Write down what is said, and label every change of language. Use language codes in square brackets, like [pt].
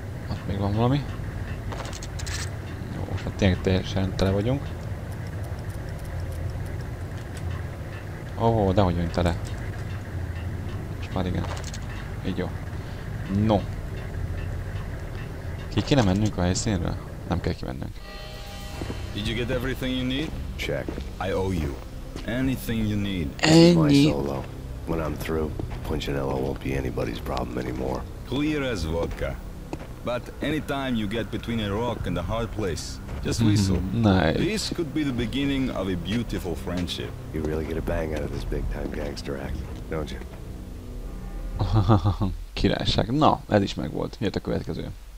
[hu] Ott még van valami. Jó, most már tényleg teljesen tele vagyunk. Dehogy jön tele. Most már igen. Így jó. No. Ki kéne mennünk a helyszínről? Nem kell kimennünk. [en] Did you get everything you need? Check. I owe you. Anything you need. [hu] Ennyi. [en] When I'm through, Punchinello won't be anybody's problem anymore. clear as vodka. But anytime you get between a rock and a hard place, just whistle. Nice. This could be the beginning of a beautiful friendship. You really get a bang out of this big time gangster act, don't you? [hu] Királyság. Na, ez is megvolt. Jött a következő.